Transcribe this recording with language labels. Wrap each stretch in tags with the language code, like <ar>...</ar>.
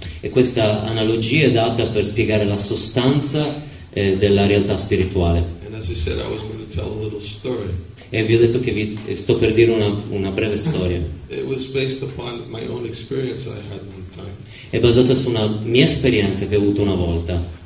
<it>E questa analogia è data per spiegare la sostanza della realtà spirituale.</it> <en>And as I said, I was going to tell a little story.</en> <it>E vi ho detto che vi sto per dire una breve storia.</it> <en>It was based upon my own experience I had one time.</en> <it>È basata su una mia esperienza che ho avuto una volta.</it>